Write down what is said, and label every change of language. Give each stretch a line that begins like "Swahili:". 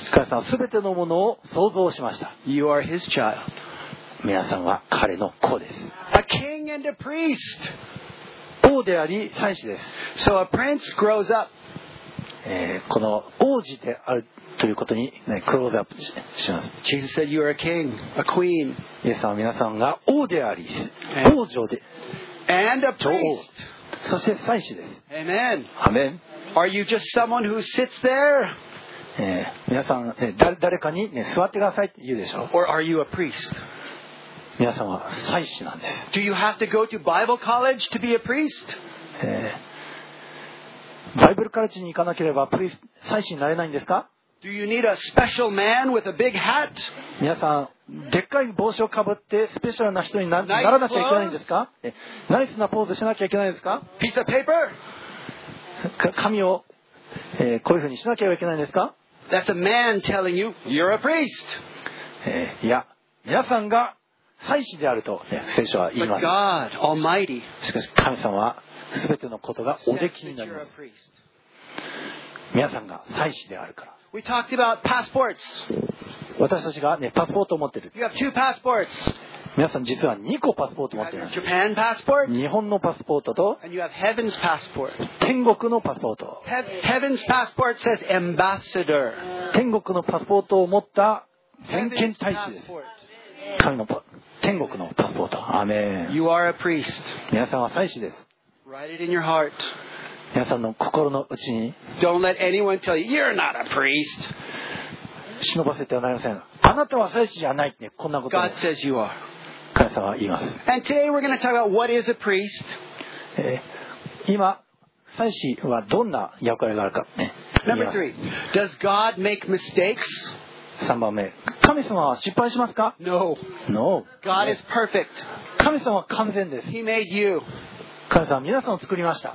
Japanese: 神様は全てのものを創造しました。
English: You are his child.
Japanese: 皆さんは彼の子です。
English: A king and a priest.
Japanese: 王であり、祭司です。
English: So a prince grows up.
Japanese: この王子であるということに、ね、クローズアップします。
English: Jesus said you are a king, a queen.
Japanese: イエスは皆さんが王であり、王女で、
English: and a priest.
Japanese: そして祭司です。
English: Amen. Amen. Are you just someone who sits there?
Japanese: 皆さん、誰かに、ね、座ってくださいって言うでしょう。
English: Or are you a priest?
Japanese: 皆さんは祭司なんです。
English: Do you have to go to Bible college to be a priest?
Japanese: バイブルカレッジに行かなければ祭司になれないんですか?
English: Do you need a special man with a big hat?
Japanese: 皆さん、でっかい帽子をかぶってスペシャルな人にならなきゃいけないんですか? ナイスなポーズしなきゃいけないんですか?
English: Piece of paper?
Japanese: 紙を、こういうふうにしなきゃいけないんですか?
English: That's a man telling you, you're a priest.
Japanese: いや、皆さんが祭司であると、ね、聖書は言います。
English: God, Almighty,
Japanese: しかし神様は全てのことがおできになります。皆さんが祭司であるから。
English: We talked about passports.
Japanese: 私たちが、ね、パスポートを持ってる。
English: You have two passports.
Japanese: 皆さん実は2個パスポートを持ってます。
English: You have your Japan passport.
Japanese: 日本のパスポートと、
English: and you have heaven's passport.
Japanese: 天国のパスポート。
English: Heaven's passport says ambassador.
Japanese: 天国のパスポートを持った偏見大使です。神の天国のパスポート。アーメン。
English: You are a priest.
Japanese: 皆さんは祭司です。
English: Write it in your heart.
Japanese: 皆さんの心の内に。
English: Don't let anyone tell you you're not a priest.
Japanese: 忍ばせてはなりません。あなたは祭司じゃないってね、こんなこと。
English: God says you are.
Japanese: 神様は言います。
English: And today we're going to talk about what is a priest.
Japanese: 今祭司はどんな役割があるか、ね、
English: Number three. Does God make mistakes?
Japanese: 3番目。神様は失敗しますか？
English: No. No. God is perfect.
Japanese: 神様は完全です。
English: He made you.
Japanese: 神様、皆さんを作りました。